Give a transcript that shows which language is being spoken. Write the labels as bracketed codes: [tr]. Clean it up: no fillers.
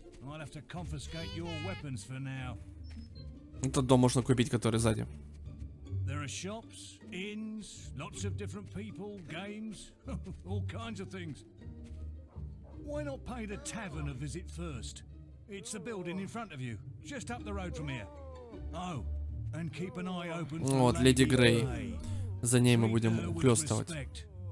[en] I'll have to confiscate your weapons for now. [ru] Этот дом можно купить, который сзади. [en] There are shops, inns, lots of different people, games, all kinds of things. Why not pay the tavern a visit first? It's the building in front of you, just up the road from here. Oh. And keep an eye open for [ru] вот, Леди Грей. За ней мы будем ухлёстывать.